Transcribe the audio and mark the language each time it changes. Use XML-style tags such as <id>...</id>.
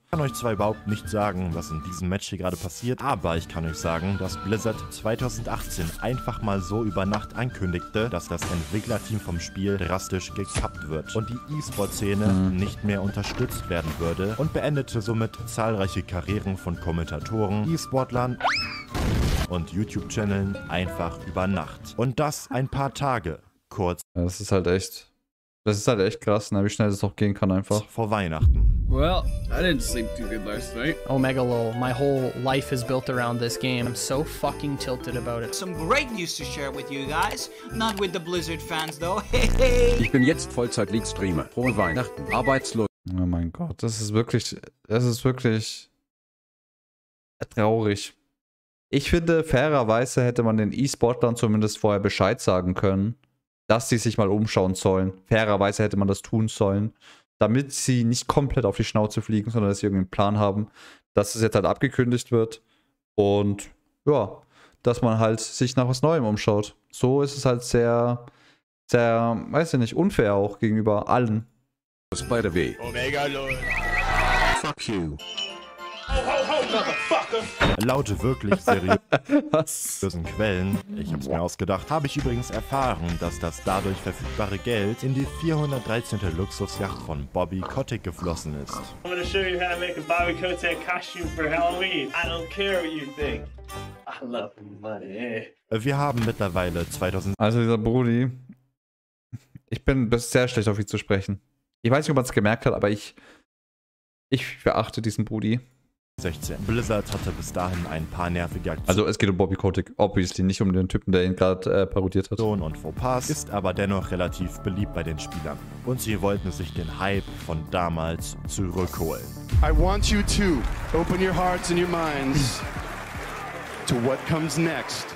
<de>Ich kann euch zwar überhaupt nicht sagen, was in diesem Match hier gerade passiert, aber ich kann euch sagen, dass Blizzard 2018 einfach mal so über Nacht ankündigte, dass das Entwicklerteam vom Spiel drastisch gekappt wird und die E-Sport-Szene nicht mehr unterstützt werden würde und beendete somit zahlreiche Karrieren von Kommentatoren, E-Sportlern und YouTube-Channeln einfach über Nacht. Und das ein paar Tage. Kurz. Ja, das ist halt echt krass, ne, wie schnell das auch gehen kann einfach. Vor Weihnachten.</de> <en>Well, I didn't sleep too good last night. Omega lol, my whole life is built around this game. I'm so fucking tilted about it. Some great news to share with you guys. Not with the Blizzard fans though.</en> <de>Ich bin jetzt Vollzeit-League-Streamer. Frohe Weihnachten. Arbeitslos. Oh mein Gott, das ist wirklich traurig. Ich finde, fairerweise hätte man den E-Sportlern zumindest vorher Bescheid sagen können, dass sie sich mal umschauen sollen. Fairerweise hätte man das tun sollen, damit sie nicht komplett auf die Schnauze fliegen, sondern dass sie irgendeinen Plan haben, dass es jetzt halt abgekündigt wird und ja, dass man halt sich nach was Neuem umschaut. So ist es halt sehr, sehr, weiß ich nicht, unfair auch gegenüber allen. Spider-B.</de> <en>Omega Lord. Fuck you. Motherfucker.</en> <de>Laut wirklich seriösen Quellen, ich hab's mir ausgedacht, habe ich übrigens erfahren, dass das dadurch verfügbare Geld in die 413. Luxusjacht von Bobby Kotick geflossen ist.</de> <en>I'm gonna show you how to make a Bobby Kotick costume for Halloween. I don't care what you think. I love money.</en> <de>Wir haben mittlerweile 2000... Also dieser Brudi, ich bin sehr schlecht auf ihn zu sprechen. Ich weiß nicht, ob man es gemerkt hat, aber ich verachte diesen Brudi. 16. Blizzard hatte bis dahin ein paar nervige Aktionen. Also es geht um Bobby Kotick, obviously nicht um den Typen, der ihn gerade parodiert hat. Und Fauxpas ist aber dennoch relativ beliebt bei den Spielern. Und sie wollten sich den Hype von damals zurückholen.</de> <en>I want you to open your hearts and your minds to what comes next.</en>